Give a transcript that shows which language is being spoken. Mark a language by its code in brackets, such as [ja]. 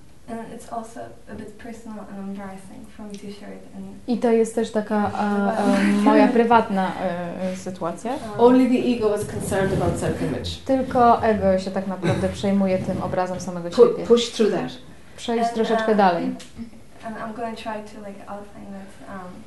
[en] And it's also a bit personal and embarrassing for me to share it. [pl] I to jest też taka moja prywatna sytuacja. [en] Only the ego is concerned about self-image. [pl] Tylko ego się tak naprawdę przejmuje tym obrazem samego siebie. [en] Push through that. [pl] Przejść troszeczkę dalej. [en] And I'm going to try to like outline that.